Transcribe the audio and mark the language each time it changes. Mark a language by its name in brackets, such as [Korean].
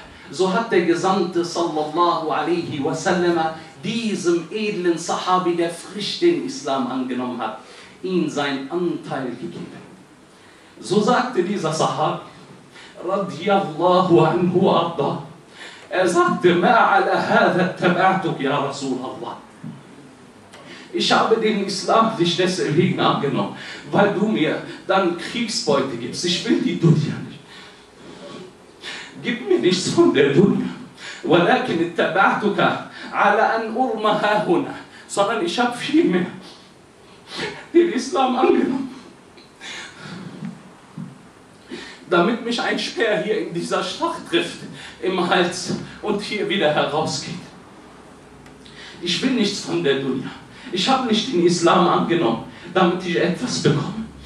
[German] So hat der Gesandte sallallahu alaihi wasallam diesem edlen Sahabi, der frisch den Islam angenommen hat, ihm sein Anteil gegeben. So sagte dieser Sahabi, [Arabic] رضي الله عنه وأرضى. [German] Er sagte, [Arabic] ما على هذا اتبعتك يا رسول الله. [German] Ich habe den Islam nicht deswegen angenommen, weil du mir dann Kriegsbeute gibst. Ich will die Dunya nicht. Gib mir nichts von der Dunya. [Arabic] ولكن اتبعتك على أن أرمى ها هنا. [German] Sondern ich habe viel mehr den Islam angenommen, damit mich ein Speer hier in dieser Schlacht trifft, im Hals und hier wieder herausgeht. Ich will nichts von der Dunya. Ich habe nicht den Islam angenommen, damit ich etwas bekomme.